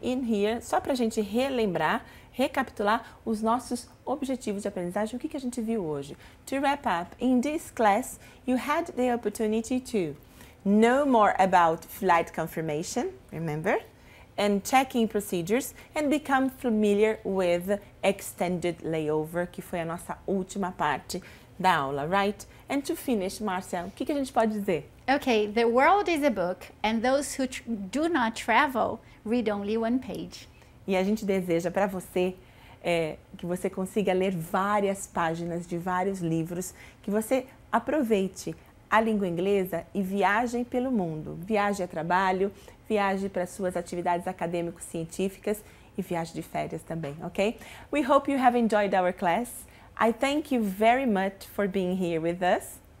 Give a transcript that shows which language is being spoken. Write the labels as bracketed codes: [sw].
[pt] In here, só para a gente relembrar, recapitular os nossos objetivos de aprendizagem, o que a gente viu hoje. [en] To wrap up, in this class, you had the opportunity to know more about flight confirmation, remember? And checking procedures, and become familiar with extended layover, que foi a nossa última parte da aula, right? [pt] And to finish, Marcia, o que a gente pode dizer? [en] Okay, the world is a book, and those who do not travel read only one page. [pt] E a gente deseja para você que você consiga ler várias páginas de vários livros, que você aproveite a língua inglesa e viaje pelo mundo, viaje a trabalho, viaje para suas atividades acadêmico-científicas e viaje de férias também, ok? [en] We hope you have enjoyed our class. I thank you very much for being here with us.